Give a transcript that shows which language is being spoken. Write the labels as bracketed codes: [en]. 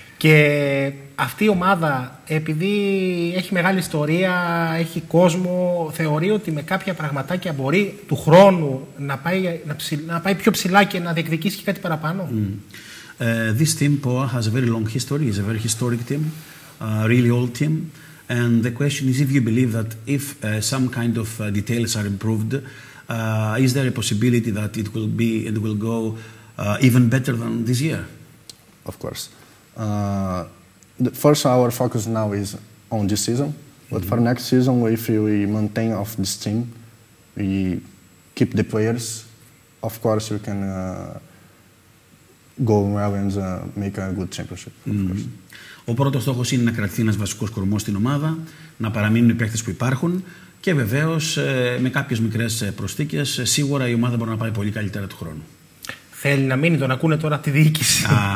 [el] Και αυτή η ομάδα, επειδή έχει μεγάλη ιστορία, έχει κόσμο, θεωρεί ότι με κάποια πραγματάκια μπορεί του χρόνου να πάει πιο ψηλά και να διεκδικήσει κάτι παραπάνω. Mm. [en] This team, PUA, has a very long history, is a very historic team. Really old team, and the question is if you believe that if some kind of details are improved, is there a possibility that it will go even better than this year? Of course. The first, our focus now is on this season, but mm-hmm. for next season, if we maintain of this team, we keep the players, of course we can go well and make a good championship, of mm-hmm. course. [el] Ο πρώτος στόχος είναι να κρατηθεί ένας βασικός κορμός στην ομάδα, να παραμείνουν οι παίκτες που υπάρχουν και βεβαίως με κάποιες μικρές προσθήκες σίγουρα η ομάδα μπορεί να πάει πολύ καλύτερα του χρόνου. Θέλει να μείνει, τον ακούνε τώρα από τη διοίκηση.